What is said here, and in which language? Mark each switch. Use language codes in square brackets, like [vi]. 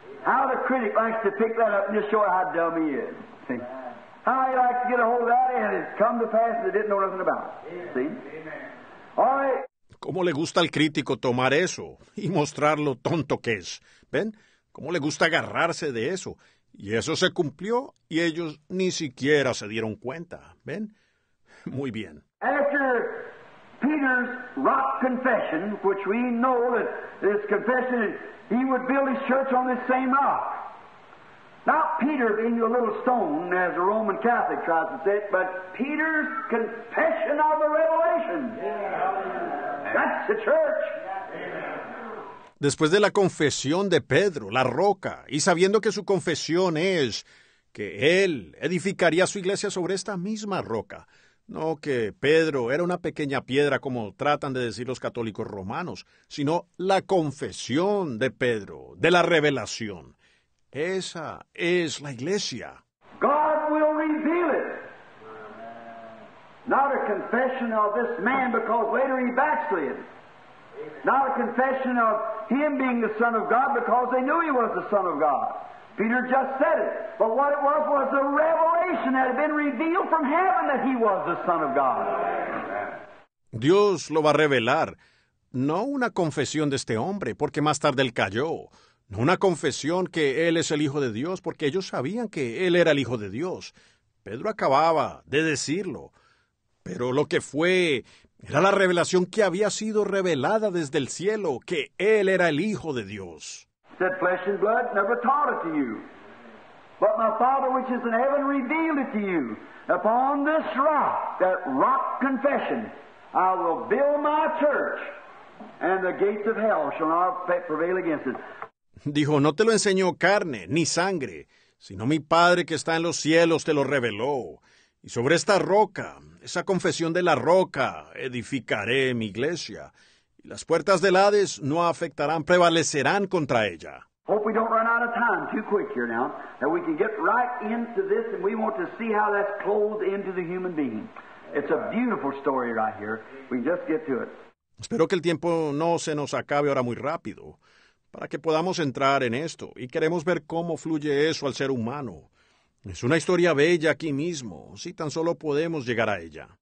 [en] How the critic likes to pick that up and just show how dumb he is. See? How he likes to get a hold of that and it's come to pass that he didn't know nothing about. See? All right. [es] ¿Cómo le gusta al crítico tomar eso y mostrar lo tonto que es? ¿Ven? ¿Cómo le gusta agarrarse de eso? Y eso se cumplió, y ellos ni siquiera se dieron cuenta. ¿Ven? Muy bien. [en] After Peter's rock confession, which we know that his confession, he would build his church on this same rock. Not Peter being a little stone, as the Roman Catholic tries to say it, but Peter's confession of the revelation. Yeah. That's the church. [es] Después de la confesión de Pedro, la roca, y sabiendo que su confesión es que él edificaría su iglesia sobre esta misma roca, no que Pedro era una pequeña piedra como tratan de decir los católicos romanos, sino la confesión de Pedro, de la revelación. Esa es la iglesia. [en] God will reveal it. Not a confession of this man, because later he backslid. Not a confession of him being the Son of God, because they knew he was the Son of God. Peter just said it. But what it was a revelation that had been revealed from heaven that he was the Son of God. [es] Dios lo va a revelar. No una confesión de este hombre, porque más tarde él cayó. No una confesión que él es el Hijo de Dios, porque ellos sabían que él era el Hijo de Dios. Pedro acababa de decirlo. Pero lo que fue... Era la revelación que había sido revelada desde el cielo, que Él era el Hijo de Dios. [en] Said flesh and blood never taught it to you. But my Father which is in heaven revealed it to you. Upon this rock, that rock confession, I will build my church, and the gates of hell shall not prevail against it. [es] Dijo, no te lo enseñó carne ni sangre, sino mi Padre que está en los cielos te lo reveló. Y sobre esta roca, esa confesión de la roca, edificaré mi iglesia. Y las puertas del Hades no afectarán, prevalecerán contra ella. [en] Hope we don't run out of time too quick here now, that we can get right into this, and we want to see how that's clothed into the human being. It's a beautiful story right here. We can just get to it. [es] Espero que el tiempo no se nos acabe ahora muy rápido, para que podamos entrar en esto. Y queremos ver cómo fluye eso al ser humano. Es una historia bella aquí mismo, si tan solo podemos llegar a ella.